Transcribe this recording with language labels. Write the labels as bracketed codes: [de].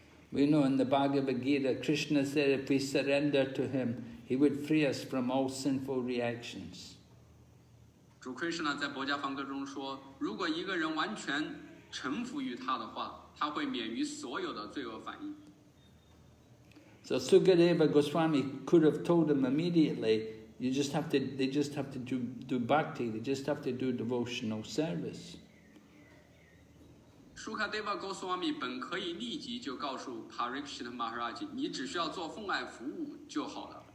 [en] We know in the Bhagavad Gita, Krishna said if we surrender to him, he would free us from all sinful reactions. [zh] 主Krishna在《薄伽梵歌》中说，如果一个人完全臣服于他的话，他会免于所有的罪恶反应。 [en] So Sukadeva Goswami could have told him immediately, you just have to, they just have to do bhakti, they just have to do devotional service. [zh] Sukadeva Goswami 本可以立即就告诉 Parikshit Maharaj, 你只需要做奉爱服务就好了。